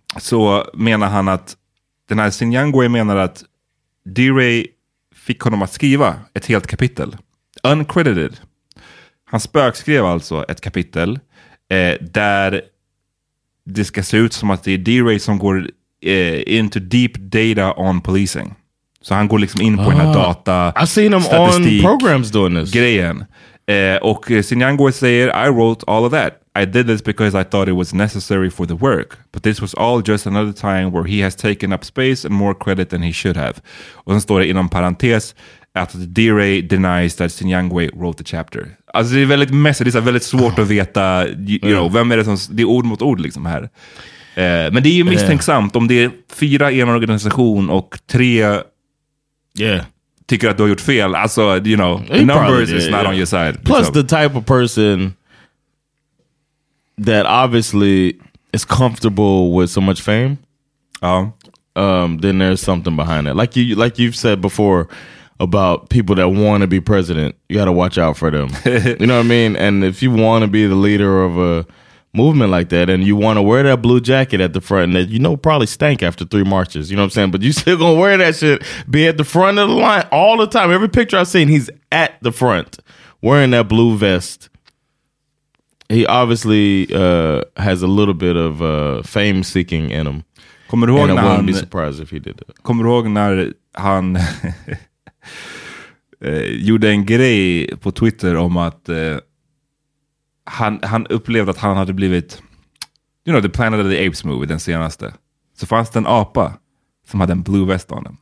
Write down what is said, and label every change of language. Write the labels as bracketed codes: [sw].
[sv] Så menar han att, den här Sinyangwe menar att D-Ray fick honom att skriva ett helt kapitel. Uncredited. Han spökskrev alltså ett kapitel där det ska se ut som att det är D-Ray som går... [en] into deep data on policing. [sv] Så han går liksom in på den här data. [en] I've seen him on programs doing this. [sv] Grejen. Och Sinyangwe säger, [en] I wrote all of that. I did this because I thought it was necessary for the work. But this was all just another time where he has taken up space and more credit than he should have. [sv] Och sen står det inom parentes att [en] D-Ray denies that Sinyangwe wrote the chapter. [sv] Alltså det är väldigt messy. Det är väldigt svårt att veta, [en] you know, [sv] vem är det som, det är ord mot ord liksom här. Men det är ju misstänksamt om det är fyra i en organisation och tre tycker att du har gjort fel. Alltså, [en] you know, the numbers is not on your side. Plus the type of person that obviously is comfortable with so much fame. Then there's something behind it. Like you've said before about people that want to be president, you got to watch out for them. You know what I mean? And if you want to be the leader of a movement like that, and you want to wear that blue jacket at the front that you know probably stank after three marches, you know what I'm saying? But you still gonna wear that shit, be at the front of the line all the time. Every picture I've seen, he's at the front wearing that blue vest. He obviously has a little bit of fame seeking in him. [sv] Kommer du ihåg [en] and [sv] när [en] I wouldn't [sv] han, [en] be surprised if he did that. [sv] Kommer du ihåg när han gjorde en grej på Twitter om att han upplevde att han hade blivit, [en] you know, [sv] the Planet of the Apes movie, den senaste. Så fanns det en apa som hade en [en] blue vest on him.